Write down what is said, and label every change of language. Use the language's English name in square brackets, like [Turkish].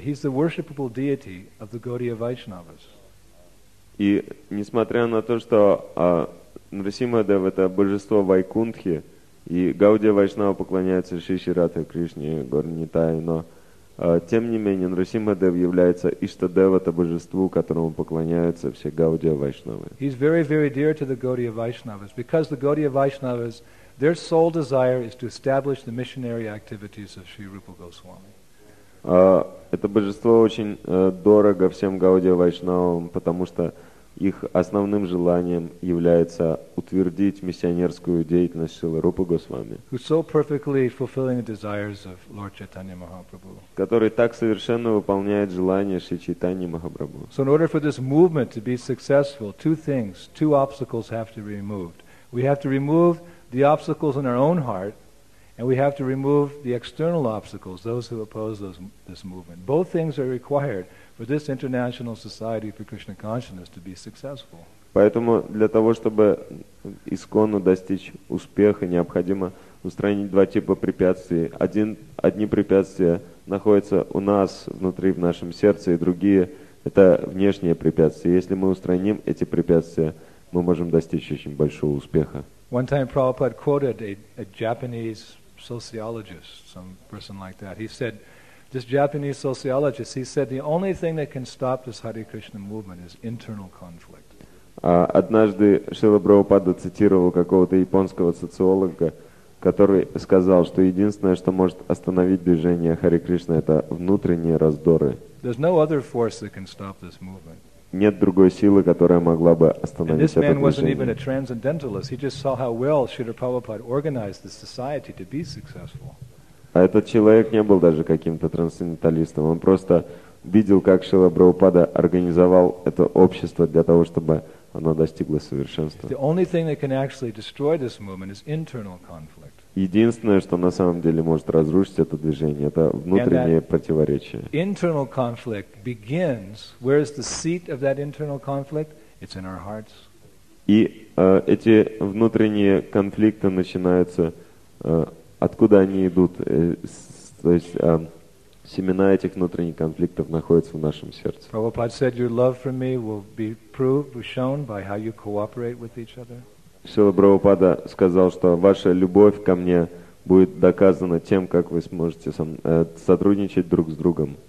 [English] He's the worshipable deity of the Gaudiya Vaishnavas. [Russian] И несмотря на то, что Нрисимхадев это божество Вайкунтхи, и Гаудия Вайшнава поклоняется Шри Шри Радхе Кришне, Гор Нитай, но тем не менее Нрисимхадев является Ishtadeva, это божество, которому поклоняются все Гаудия Вайшнавы. [English] He's very, very dear to the Gaudiya Vaishnavas because the Gaudiya Vaishnavas, their sole desire is to establish the missionary activities of Sri Rupa Goswami. [Russian] Это божество очень дорого всем Гаудия Вайшнавам, потому что их основным желанием является утвердить миссионерскую деятельность Шрилы Рупы Госвами, который так совершенно выполняет желание Шри Чайтаньи Махапрабху. [English] So in order for this movement to be successful, two things, two obstacles have to be removed. We have to remove the obstacles in our own heart, and we have to remove the external obstacles, those who oppose this movement. Both things are required for this International Society for Krishna Consciousness to be successful. [Russian] Поэтому для того, чтобы ИСККОНу достичь успеха, необходимо устранить два типа препятствий. Одни препятствия находятся у нас внутри, в нашем сердце, и другие – это внешние препятствия. Если мы устраним эти препятствия, мы можем достичь очень большого успеха. [English] One time Prabhupada quoted a Japanese sociologist, some person like that. He said, This Japanese sociologist, he said, the only thing that can stop this Hare Krishna movement is internal conflict. [Russian] Однажды Шрила Прабхупада цитировал какого-то японского социолога, который сказал, что единственное, что может остановить движение Харе Кришна, это внутренние раздоры. [English] There's no other force that can stop this movement. [Russian] Нет другой силы, которая могла бы остановить это движение. [English] And this man wasn't even a transcendentalist. He just saw how well Srila Prabhupada organized the society to be successful. [Russian] А этот человек не был даже каким-то трансценденталистом. Он просто видел, как Шрила Прабхупада организовал это общество для того, чтобы оно достигло совершенства. [English] The only thing that can actually destroy this movement is internal conflict. [Russian] Единственное, что на самом деле может разрушить это движение, это внутренние противоречия. [English] Internal conflict begins. Where is the seat of that internal conflict? It's in our hearts. [Russian] И эти внутренние конфликты начинаются. Откуда они идут? То есть семена этих внутренних конфликтов находятся в нашем сердце. [English] Prabhupada said your love for me will be proved, shown by how you cooperate with each other. [Russian] Шрила Прабхупада сказал, что ваша любовь ко мне будет доказана тем, как вы сможете сотрудничать друг с другом.